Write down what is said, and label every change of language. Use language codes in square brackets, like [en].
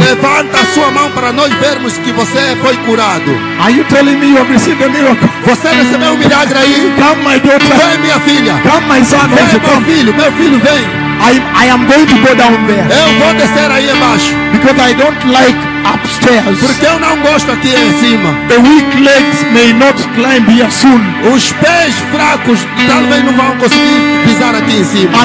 [pt] Levanta a sua mão para nós vermos que você foi curado. [en] Are you telling me you have received a miracle? [pt] Você recebeu um milagre aí? [en] Come, my daughter. [pt] Vem, minha filha. [en] Come, my son. [pt] Vem, meu filho, vem. [en] I am going to go down there. [pt] Eu vou descer aí embaixo. [en] Because I don't like upstairs. [pt] Porque eu não gosto aqui em cima. [en] The weak legs may not climb here soon. [pt] Os pés fracos talvez não vão conseguir pisar aqui em cima.